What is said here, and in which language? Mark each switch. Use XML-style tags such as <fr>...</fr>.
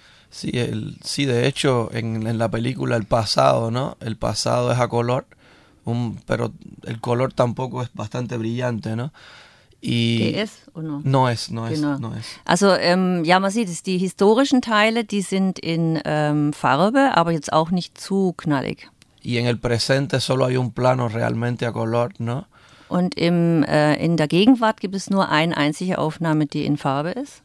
<es>Sí, de hecho, en la película el pasado, ¿no? El pasado es a color. Pero el color tampoco es bastante brillante, ¿no? No es.</es> <de>Also, ja, man sieht es, die historischen Teile, die sind in Farbe, aber jetzt auch nicht zu knallig.</de> <es>Y en el presente solo hay un plano realmente a color, ¿no?</es> <de>Und in der Gegenwart gibt es nur eine einzige Aufnahme, die in Farbe ist.</de>